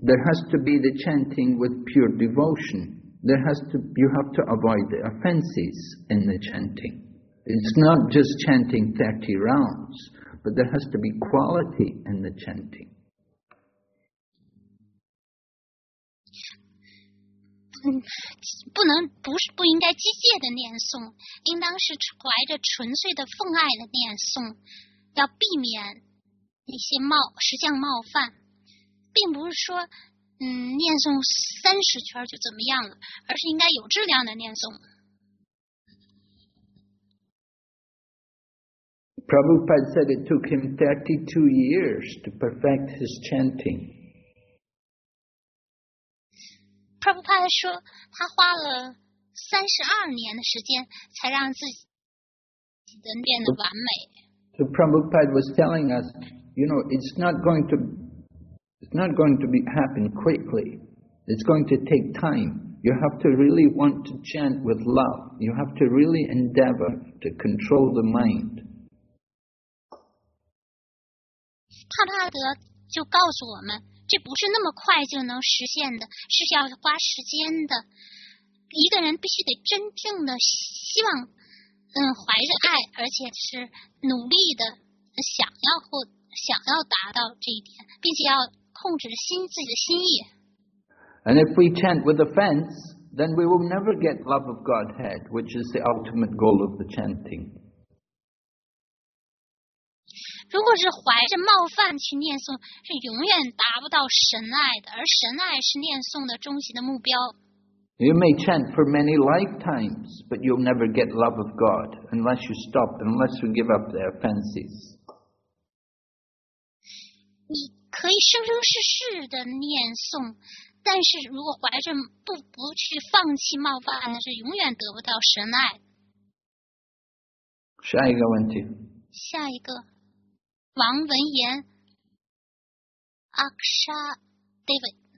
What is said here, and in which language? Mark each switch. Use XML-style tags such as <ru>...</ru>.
<en>There has to be the chanting with pure devotion. You have to avoid the offenses in the chanting. It's not just chanting 30 rounds, but there has to be quality in the chanting.</en> <zh>不应该机械的念诵，应当是怀着纯粹的奉爱的念诵，要避免一些实相冒犯，并不是说念诵三十圈就怎么样了，而是应该有质量的念诵。</zh> <en>Prabhupada said it took him 32 years to perfect his chanting.</en> <zh>Prabhupada 说他花了32年的时间才让自己的念得完美。</zh> <en>So Prabhupada was telling us, you know, it's not going to happen quickly. It's going to take time. You have to really want to chant with love. You have to really endeavor to control the mind.</en> <zh>帕帕德就告诉我们，这不是那么快就能实现的，是要花时间的。一个人必须得真正的希望。怀着爱，而且是努力的想要达到这一点，并且要控制自己的心意。</zh> <en>And if we chant with offense, then we will never get love of Godhead, which is the ultimate goal of the chanting.</en> <zh>如果是怀着冒犯去念诵，是永远达不到神爱的，而神爱是念诵的终极的目标。</zh> <en>You may chant for many lifetimes, but you'll never get love of God unless you stop, unless you give up the offenses.</en> <zh>你可以生生世世的念诵，但是如果怀着不去放弃冒犯，那是永远得不到神爱。下一个问题。下一个，王文言 ，Aksha David。</zh>